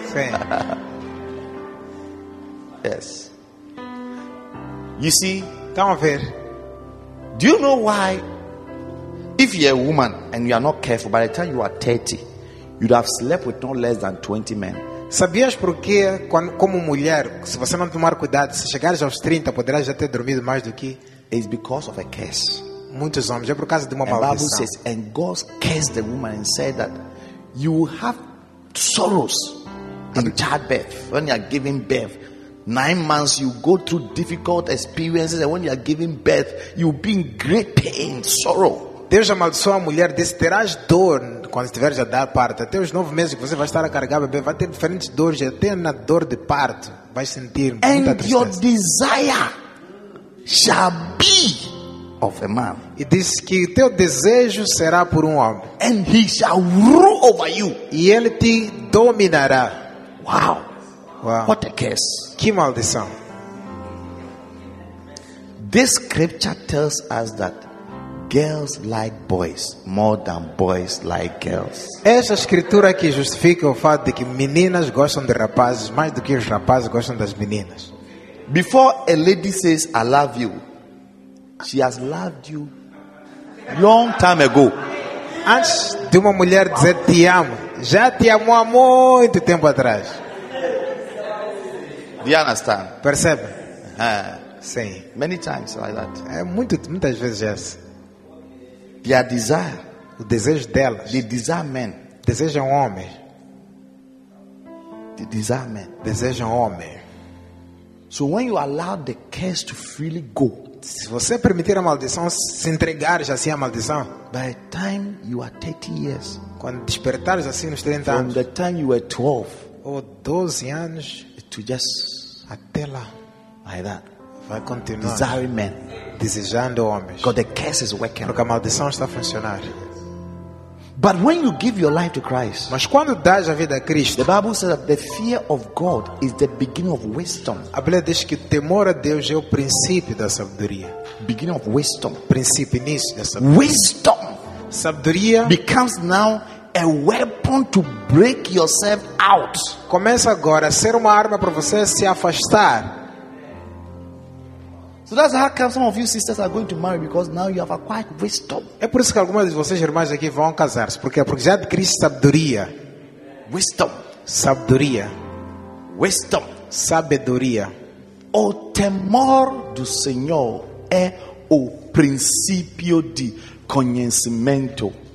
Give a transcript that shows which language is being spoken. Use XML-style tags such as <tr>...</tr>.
<pt>Sim.</pt> <en>Yes. You see,</en> <pt>estão a ver.</pt> <en>Do you know why? If you're a woman and you are not careful, by the time you are 30, you'd have slept with no less than 20 men.</en> <pt>Sabias por quê? Como mulher, se você não tomar cuidado, se chegares aos 30, poderás já ter dormido mais do que.</pt> <en>It's because of a curse.</en> <pt>Muitos homens é por causa de uma maldição.</pt> <en>The Bible says, and God cursed the woman and said that you will have sorrows in childbirth when you are giving birth. 9 months, you go through difficult experiences, and when you are giving birth, you'll be in great pain, sorrow.</en> <pt>Deus amaldiçoou a mulher, disse, terás dor quando estiveres a dar parto. Até os 9 meses que você vai estar a carregar bebê, vai ter diferentes dores, até na dor de parto, vai sentir muita</pt> <en>and</en> <pt>tristeza.</pt> <en>Your desire shall be of a man.</en> <pt>E disse que o teu desejo será por homem.</pt> <en>And he shall rule over you.</en> <pt>E ele te dominará. Wow. Wow.</pt> <en>What a curse.</en> <pt>Que maldição.</pt> <en>This scripture tells us that girls like boys more than boys like girls.</en> <pt>Essa escritura aqui justifica o fato de que meninas gostam de rapazes mais do que os rapazes gostam das meninas.</pt> <en>Before a lady says I love you, she has loved you long time ago.</en> <pt>Antes de uma mulher dizer te amo, já te amou há muito tempo atrás.</pt> <en>Do you understand?</en> <pt>Percebe?</pt> <en>Sim. Many times like that.</en> <pt>É muito, muitas vezes é assim.</pt> <en>Their desire,</en> <pt>o desejo delas.</pt> <en>They desire men.</en> <pt>Desejam homens.</pt> <en>They desire men.</en> <pt>Desejam homens.</pt> <en>So when you allow the curse to freely go,</en> <pt>se você permitir a maldição se entregar já assim à maldição,</pt> <en>by the time you are 30 years,</en> <pt>quando despertares assim nos 30</pt> <en>from</en> <pt>anos,</pt> <en>the time you were 12,</en> <pt>ou 12 anos,</pt> <en>to just</en> <pt>até lá,</pt> <en>like that,</en> <pt>vai continuar</pt> <en>desiring men,</en> <pt>desejando homens,</pt> <en>because the curse is working,</en> <pt>porque a maldição está a funcionar.</pt> <en>But when you give your life to Christ,</en> <pt>mas quando dás a vida a Cristo,</pt> <en>the Bible says that the fear of God is the beginning of wisdom.</en> <pt>A Bíblia diz que o temor a Deus é o princípio da sabedoria.</pt> <en>Beginning of wisdom,</en> <pt>princípio, início da sabedoria.</pt> <en>Wisdom,</en> <pt>sabedoria,</pt> <en>becomes now a weapon to break yourself out.</en> <pt>Começa agora a ser uma arma para você se afastar.</pt> <en>So that's how come some of you sisters are going to marry, because now you have acquired wisdom.</en> <pt>É por isso que algumas de vocês irmãs aqui vão casar-se, porque já adquiriste sabedoria.</pt> <en>Wisdom,</en> <pt>sabedoria.</pt> <en>Wisdom,</en> <pt>sabedoria. O temor do Senhor é o princípio de conhecimento.</pt>